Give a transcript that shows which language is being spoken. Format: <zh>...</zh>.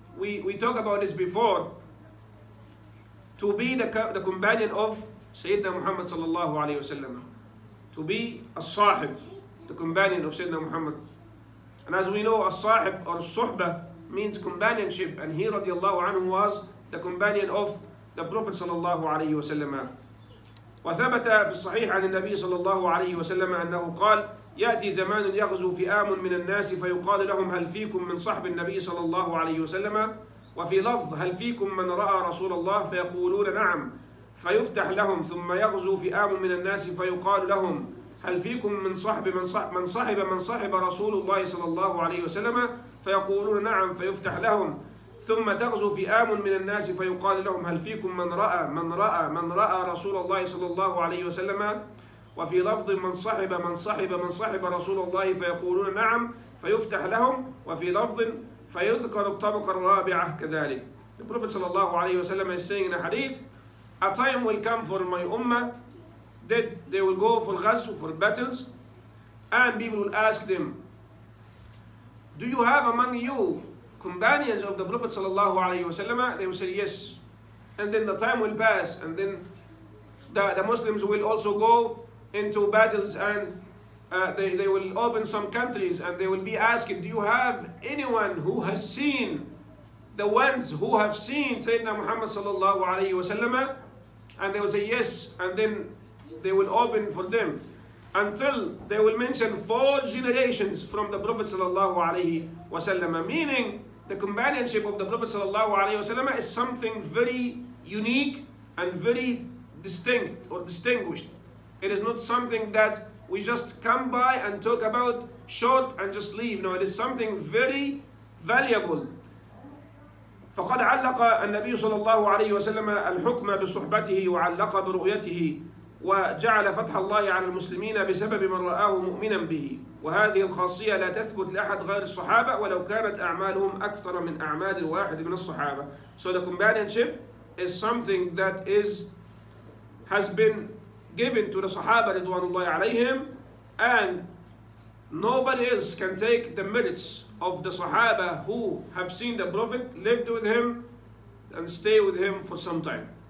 <en>we talk about this before, to be the companion of Sayyidina Muhammad sallallahu alayhi wa sallam, to be a sahib, the companion of Sayyidina Muhammad. And as we know, a sahib or suhba means companionship, and he radiallahu anhu was the companion of the Prophet sallallahu alayhi wa sallam.</en> <ar>وثبت في الصحيح عن النبي صلى الله عليه وسلم أنه قال يأتي زمان يغزو فئام من الناس فيقال لهم هل فيكم من صحب النبي صلى الله عليه وسلم وفي لفظ هل فيكم من رأى رسول الله فيقولون نعم فيفتح لهم ثم يغزو فئام من الناس فيقال لهم هل فيكم من صحب من صحب رسول الله صلى الله عليه وسلم فيقولون نعم فيفتح لهم ثم تغزو فئام من الناس فيقال لهم هل فيكم من رأى رسول الله صلى الله عليه وسلم وفي لفظ من صحب رسول الله فيقولون نعم فيفتح لهم وفي لفظ فيذكر الطبقة الرابعة كذلك.</ar> <en>The Prophet صلى الله عليه وسلم is saying in a hadith, a time will come for my ummah that they will go for ghazw, for battles, and people will ask them, do you have among you companions of the Prophet sallallahu alayhi wa sallam? They will say yes. And then the time will pass, and then the Muslims will also go into battles, and they will open some countries, and they will be asking, do you have anyone who has seen the ones who have seen Sayyidina Muhammad sallallahu alayhi wa sallam? And they will say yes, and then they will open for them until they will mention four generations from the Prophet sallallahu alayhi wa sallam, meaning the companionship of the Prophet sallallahu alayhi wa sallam is something very unique and very distinct or distinguished. It is not something that we just come by and talk about short and just leave. No, it is something very valuable.</en> <ar>فَقَدْ عَلَّقَ النَّبِيُّ صَلَى اللَّهُ عَلَيْهِ وَسَلَّمَ الْحُكْمَ بِصُحْبَتِهِ وَعَلَّقَ بِرُؤْيَتِهِ وجعل فتح الله على المسلمين بسبب من رآه مؤمنا به وهذه الخاصية لا تثبت لأحد غير الصحابة ولو كانت أعمالهم أكثر من أعمال الواحد من الصحابة.</ar> <en>So the companionship is something that has been given to the صحابة رضوان الله عليهم, and nobody else can take the merits of the صحابة who have seen the Prophet, lived with him and stay with him for some time.</en>